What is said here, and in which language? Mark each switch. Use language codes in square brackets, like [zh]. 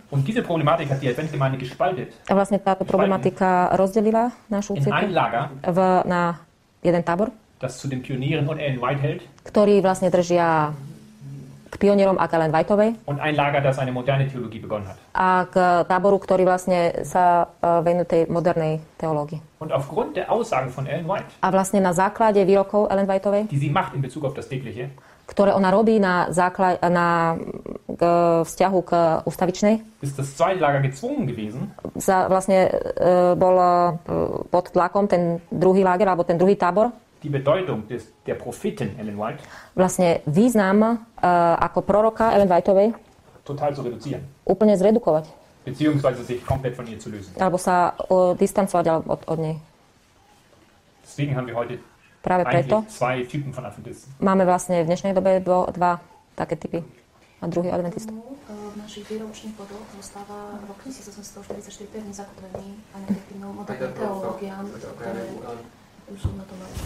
[de] Und diese Problematik hat die Adventgemeinde gespaltet. [sk] A vlastne táto problematika rozdelila našu cirkev. [de] In ein Lager. [sk] Na jeden tábor. [de] Das zu den Pionieren und Ellen White hält. [sk] Ktorí vlastne držia k pionierom a k Ellen Whiteovej. [de] Und ein Lager, das eine moderne Theologie begonnen hat. [sk] A k táboru, ktorý vlastne sa venuje tej modernej teológii. [de] Und aufgrund der Aussagen von Ellen White. [sk] A vlastne na základe výrokov Ellen Whiteovej. [de] Die sie macht in Bezug auf das tägliche. [sk] Ktoré ona robí na základe na k vzťahu k ustavičnej. [de] Ist das zweite Lager gezwungen gewesen? [sk] Sa vlastne bol pod tlakom ten druhý lager alebo ten druhý tábor. [de] Die Bedeutung der Prophetin Ellen White. [sk] Vlastne význam ako proroka Ellen Whiteovej. [de] Total zu reduzieren. [sk] Úplne zredukovať. [de] Beziehungsweise sich komplett von ihr zu lösen. [sk] Alebo sa distancovať od nej. [de] Deswegen haben wir heute [sk] práve preto [de] zwei Typen von Adventisten. [sk] Máme vlastne v dnešnej dobe dva také typy. A druhý adventista. Naši výročný podok zostáva v roku 1844 pevne zakotvený a nedefinujú moderným teológiám, ktoré už na to mali.